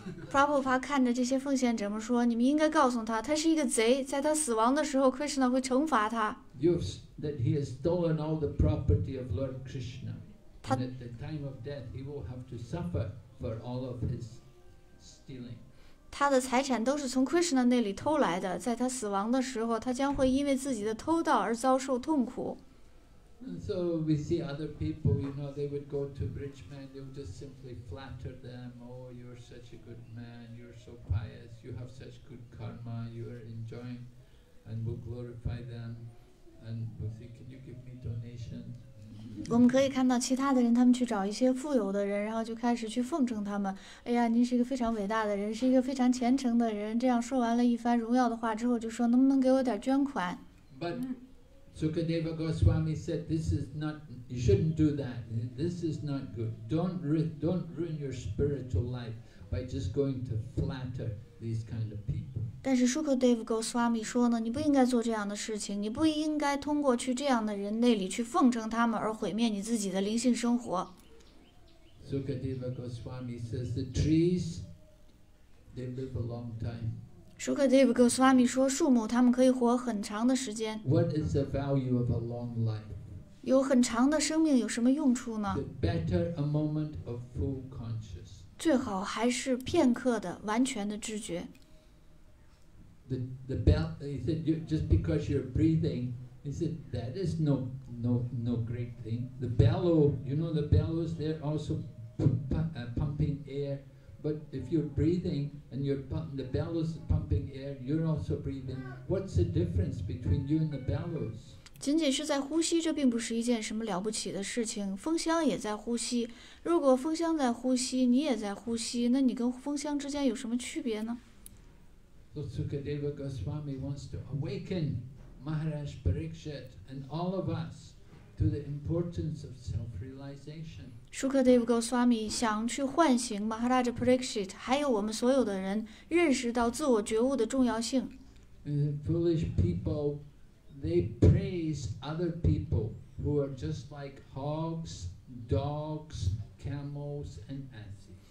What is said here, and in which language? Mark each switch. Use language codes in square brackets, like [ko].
[zh] Prabhupada 看着这些奉献者们说：“你们应该告诉他，他是一个贼，在他死亡的时候 ，Krishna 会惩罚他。” [en] That he has stolen all the property of Lord Krishna, and at the time of death, he will have to suffer for all of his stealing. [zh] 他的财产都是从 Krishna 那里偷来的，在他死亡的时候，他将会因为自己的偷盗而遭受痛苦。 [en] And so we see other people, you know, they would go to rich men, they would just simply flatter them, oh, you're such a good man, you're so pious, you have such good karma, you are enjoying, and we'll glorify them, and we'll say, can you give me donations? [zh] 我们可以看到其他的人，他们去找一些富有的人，然后就开始去奉承他们。哎呀，您是一个非常伟大的人，是一个非常虔诚的人，这样说完了一番荣耀的话之后，就说能不能给我点捐款？ [en] But,Sukadeva Goswami said, "This is not. You shouldn't do that. This is not good. Don't ruin your spiritual life by just going to flatter these kind of people." [zh] 但是 Sukadeva Goswami 说呢，你不应该做这样的事情。你不应该通过去这样的人那里去奉承他们而毁灭你自己的灵性生活。 [en] Sukadeva Goswami says, "The trees, they live a long time." [zh] 舒克德维格斯瓦米说：“树木，他们可以活很长的时间。 [en] What is the value of a long life? [zh] 有很长的生命有什么用处呢 [en] ？The better a moment of full conscious. [zh] 最好还是片刻的完全的知觉。 [en] The belt, he said, just because you're breathing, he said that is no great thing. The bellow, you know, the bellows, they're also pumping air.” But if you're breathing and you're pumping, the bellows are pumping air, you're also breathing. What's the difference between you and the bellows? [zh] 仅仅是在呼吸，这并不是一件什么了不起的事情。风箱也在呼吸。如果风箱在呼吸，你也在呼吸，那你跟风箱之间有什么区别呢 [en] ？So Sukadeva Goswami wants to awaken Maharaj Parikshit and all of us to the importance of self-realization. [zh] 舒克德维格斯瓦米想去唤醒马哈拉扎普里克希特，还有我们所有的人认识到自我觉悟的重要性。 [en] Foolish people, they praise other people who are just like hogs, dogs, camels, and asses.